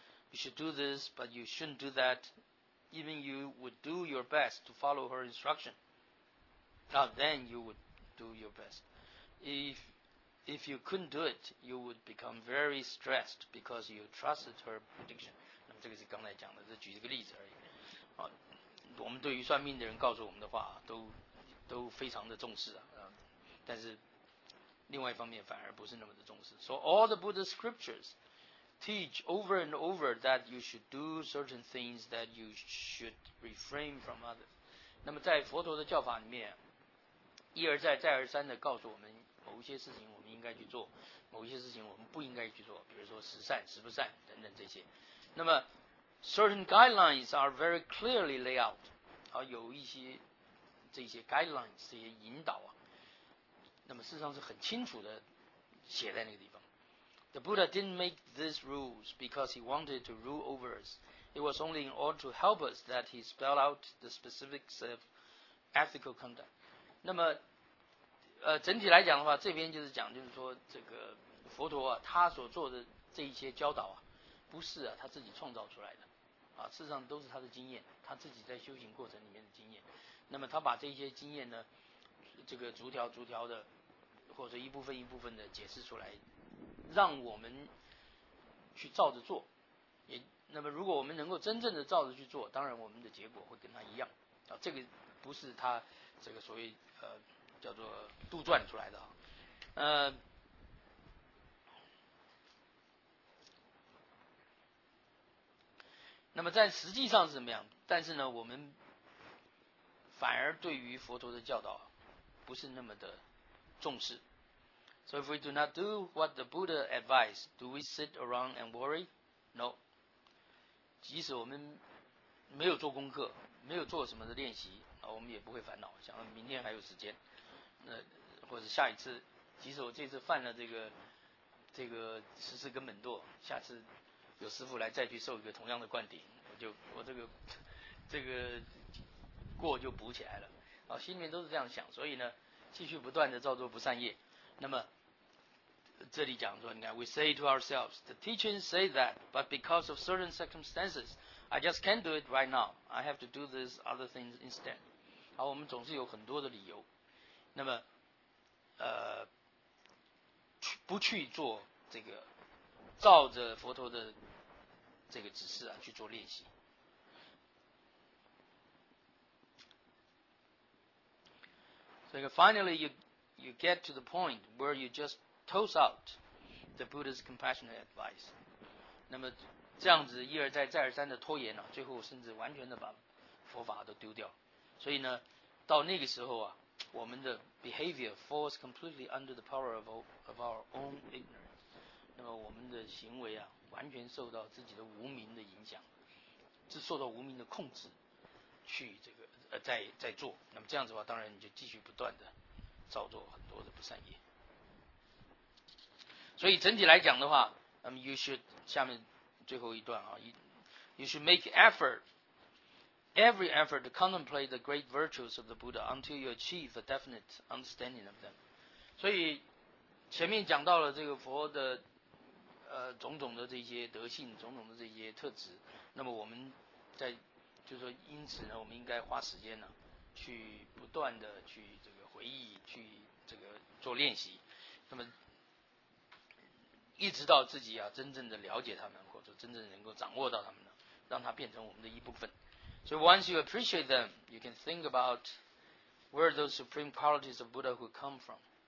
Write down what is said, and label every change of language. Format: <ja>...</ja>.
<en>You should do this, but you shouldn't do that. Even you would do your best to follow her instruction. Now then you would do your best. If you couldn't do it, you would become very stressed because you trusted her prediction.</en> <zh>那么这个是刚才讲的，这举一个例子而已。啊，我们对于算命的人告诉我们的话，都非常的重视啊。但是另外一方面反而不是那么的重视。</zh> <en>So all the Buddha scriptures. Teach over and over that you should do certain things that you should refrain from others.</en> <zh>那么在佛陀的教法里面，一而再，再而三的告诉我们某一些事情我们应该去做，某一些事情我们不应该去做，比如说食善、食不善等等这些。</zh> <en>那么 certain guidelines are very clearly laid out.</en> <zh>好，有一些这些 guidelines 这些引导啊，那么事实上是很清楚的写在那个地方。</zh> <en>The Buddha didn't make these rules because he wanted to rule over us. It was only in order to help us that he spelled out the specifics of ethical conduct.</en> <zh>那么，整体来讲的话，这边就是讲，就是说这个佛陀啊，他所做的这一些教导啊，不是啊他自己创造出来的，啊，事实上都是他的经验，他自己在修行过程里面的经验。那么他把这些经验呢，这个逐条逐条的，或者一部分一部分的解释出来。让我们去照着做，也那么如果我们能够真正的照着去做，当然我们的结果会跟他一样啊。这个不是他这个所谓叫做杜撰出来的啊。那么在实际上是怎么样？但是呢，我们反而对于佛陀的教导不是那么的重视。</zh> <en>So if we do not do what the Buddha advised, do we sit around and worry? No.</en> <zh>即使我们没有做功课，没有做什么的练习，我们也不会烦恼，想到明天还有时间，或者下一次，即使我这次犯了这个十四根本堕，下次有师父来再去受一个同样的灌顶，我这个过就补起来了。心里面都是这样想，所以呢，继续不断的造作不善业。那么这里讲说，你看</zh> <en>，we say to ourselves, the teachings say that, but because of certain circumstances, I just can't do it right now. I have to do this other things instead.</en> <zh>好，我们总是有很多的理由，那么不去做这个照着佛陀的这个指示啊去做练习。</zh> <en>所以 finally you get to the point where you just toss out the Buddha's compassionate advice.</en> <zh>那么这样子一而再再而三的拖延啊，最后甚至完全的把佛法都丢掉。所以呢，到那个时候啊，我们的</zh> <en>behavior falls completely under the power of our own ignorance.</en> <zh>那么我们的行为啊，完全受到自己的无明的影响，是受到无明的控制去这个在做。那么这样子的话，当然你就继续不断的造作很多的不善业。所以整体来讲的话，</zh> <en>you should</en> <zh>下面最后一段啊，</zh> <en>you should make every effort to contemplate the great virtues of the Buddha until you achieve a definite understanding of them.</en> <zh>所以前面讲到了这个佛的种种的这些德性，种种的这些特质，那么我们在就是说因此呢，我们应该花时间呢去不断的去这个回忆，去这个做练习，那么一直到自己啊真正的了解他们，或者真正能够掌握到他们，让它变成我们的一部分。</zh> <en>So once you appreciate them, you can think about where those supreme qualities of Buddha would come from.</en>